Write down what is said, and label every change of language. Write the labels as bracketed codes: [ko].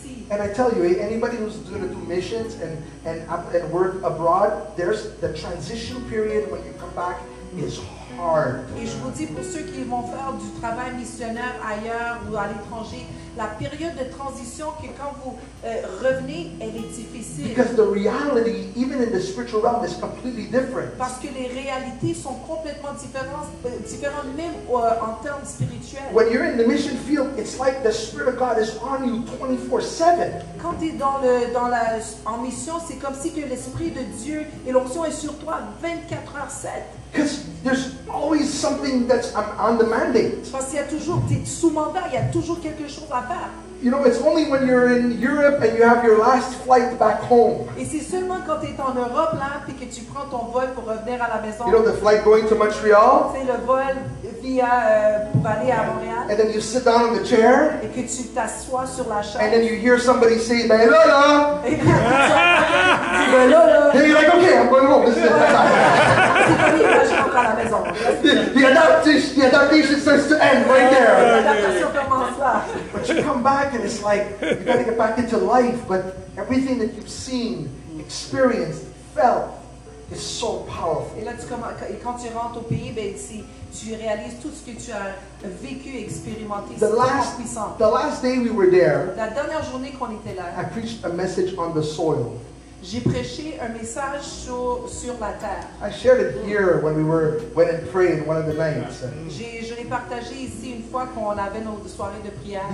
[en] And I tell you, anybody who's going to do missions and work abroad, there's the transition period when you come back is hard. [fr] Et je vous dis, pour ceux qui vont faire du travail missionnaire ailleurs ou à l'étranger, la période de transition que quand vous revenez, elle est difficile. [en] Because the reality, even in the spiritual realm, is completely different. [fr] Parce que les réalités sont complètement différentes même en termes spirituels. [en] When you're in the mission field, it's like the Spirit of God is on you 24/7. [fr] Quand tu es en mission, c'est comme si que l'Esprit de Dieu et l'onction est sur toi 24/7. [en] Because there's always something that's on the mandate. [fr] Parce qu'il y a toujours, t'es sous mandat, il y a toujours quelque chose à faire. [en] You know, it's only when you're in Europe and you have your last flight back home. [fr] Et c'est seulement quand t'es en Europe là, puis que tu prends ton vol pour revenir à la maison. [en] You know, the flight going to Montreal. [fr] C'est le vol via pour aller à Montréal. [en] And then you sit down on the chair. [fr] Et que tu t'assois sur la chaise. [en] And then you hear somebody say, [fr] "Ben là là." Ben là là. [en] And you're like, "Okay, I'm going home. This is it." The adaptation starts to end right there. But you come back and it's like you got to get back into life. But everything that you've seen, experienced, felt, is so powerful. [fr] Et là, tu commences, et quand tu rentres au pays, ben, si tu réalises tout ce que tu as vécu, expérimenté, c'est tellement puissant. [en] The last day we were there, [fr] la dernière journée qu'on était là, [en] I preached a message on the soil. [fr] J'ai prêché un message sur la terre. [en] I shared it here when we were went and prayed one of the nights. [fr] Je l'ai partagé ici une fois qu'on avait nos soirées de prière.